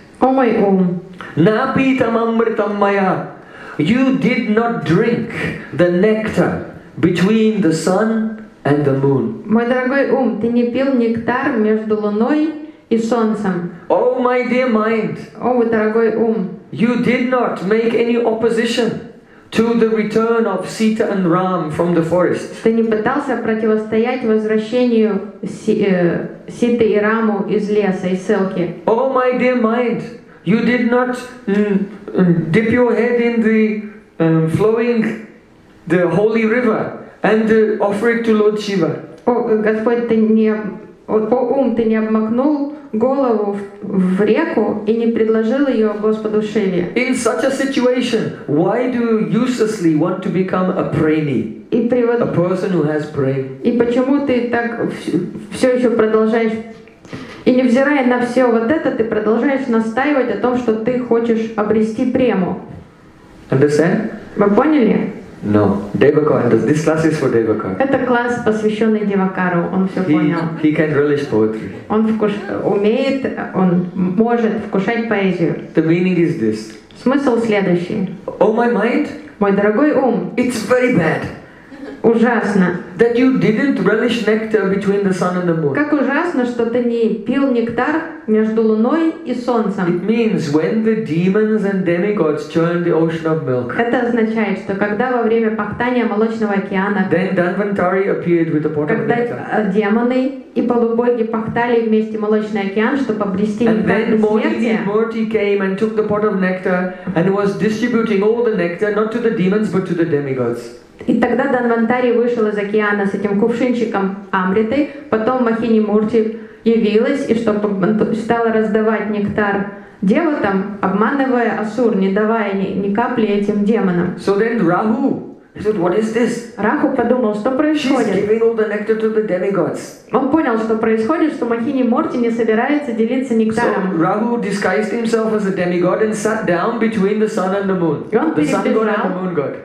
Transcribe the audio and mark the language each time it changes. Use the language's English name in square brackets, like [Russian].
[English] oh my [Russian] ум, [Sanskrit] напитам мамритам мая, [English] you did not drink the nectar between the sun and the moon. [Russian] Мой дорогой ум, ты не пил нектар между луной и солнцем. [English] Oh my dear mind. [Russian] О, мой дорогой ум. [English] You did not make any opposition to the return of Sita and Ram from the forest. [Russian] Ты не пытался противостоять возвращению Ситы и Раму из леса, из ссылки. [English] Oh my dear mind. You did not dip your head in the flowing the holy river and offer it to Lord Shiva. [Russian] О, Господь, ты не по ум ты не обмакнул голову в реку и не предложил ее Господу Шиве. [English] In such a situation, why do you uselessly want to become a preni? A person who has prema. [Russian] И почему ты так все еще продолжаешь и невзирая на все вот это, ты продолжаешь настаивать о том, что ты хочешь обрести прему? [English] Understand? [Russian] Вы поняли? [English] No, Devakara. This class is for Devakara. [Russian] Это класс, посвященный Девакару. Он все понял. [English] He can relish poetry. [Russian] Он умеет, он может вкушать поэзию. [English] The meaning is this. [Russian] Смысл следующий. [English] Oh my mind. [Russian] Мой дорогой ум. [English] It's very bad. [Russian] Ужасно. [English] That you didn't relish nectar between the sun and the moon. [Russian] Как ужасно, что ты не пил нектар между луной и солнцем. [English] It means when the demons and demigods churn the ocean of milk. [Russian] Это означает, что когда во время пахтания молочного океана. [English] Then Dhanvantari appeared with a pot of nectar. [Russian] Когда демоны и полубоги пахтали вместе молочный океан, чтобы обрести нектар. [English] And then Murti came and took the pot of nectar and was distributing all the nectar not to the demons but to the demigods. [Russian] И тогда Данвантари вышел из океана с этим кувшинчиком Амриты, потом Махини Мурти явилась, и чтобы стала раздавать нектар девотам, обманывая Асур, не давая ни капли этим демонам. [English] So then Rahu said, what is this? [Russian] Раху подумал, что происходит. [English] She's giving all the nectar to the demigods. [Russian] Он понял, что происходит, что Махини Мурти не собирается делиться нектаром. [English] So Rahu disguised himself as a demigod and sat down between the sun and the moon. The sun god and the moon god.